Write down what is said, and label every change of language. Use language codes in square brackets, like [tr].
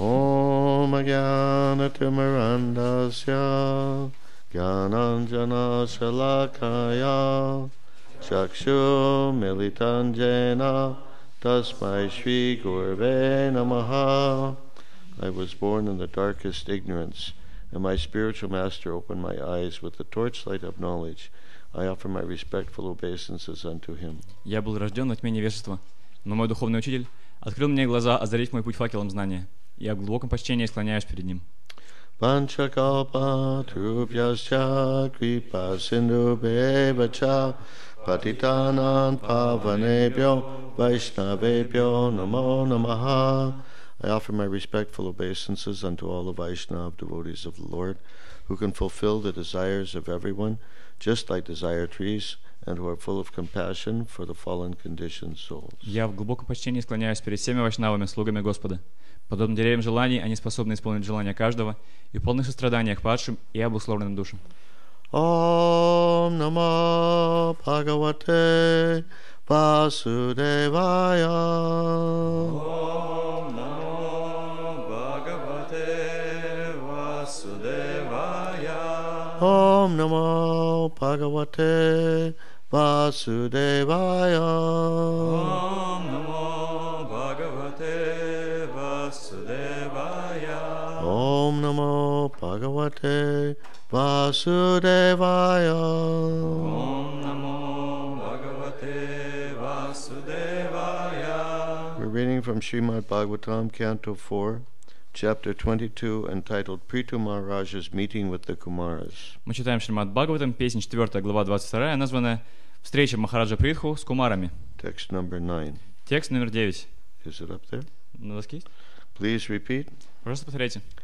[sa] Om Ajnana Timurandasya Jnananjana Shalakaya Chakshur Militan Jena Tasmai Shri Gurve Namaha. [en] I was born in the darkest ignorance, and my spiritual master opened my eyes with the torchlight of knowledge. I offer my respectful obeisances unto him. [ru] Я был рожден во тьме невежества, но мой духовный учитель открыл мне глаза озарить мой путь факелом знания. Я в глубоком почтении склоняюсь перед ним. [sa] Panchakalpa trupyascha kripa sindhu bevacha patitanan pavanebhyo vaishnavebhyo namo namaha. [en] I offer my respectful obeisances unto all the Vaishnava devotees of the Lord who can fulfill the desires of everyone just like desire trees and who are full of compassion for the fallen conditioned souls. [ru] Я в глубоком почтении склоняюсь перед всеми вайшнавами, слугами Господа. Подобно деревьям желаний, они способны исполнить желания каждого и в полных состраданиях падшим и обусловленным душам. [sa] Ом нама Бхагавате Васудевая. Ом нама Бхагавате Васудевая. Ом нама Бхагавате Васудевая. Ом нама Бхагавате Om Namo Bhagavate Vasudevaya Om Namo Bhagavate Vasudevaya [en] We're reading from Srimad Bhagavatam, Canto 4, Chapter 22, entitled Prithu Maharaja's Meeting with the Kumaras. [ru] Мы читаем Шримад Бхагаватам, песня 4, глава 22, названная «Встреча Махараджа Притху с Кумарами». [en] Text number 9. [ru] Текст номер 9. [en] Is it up there? [ru] На доске есть? [en] Please repeat. [ru] Пожалуйста, повторяйте.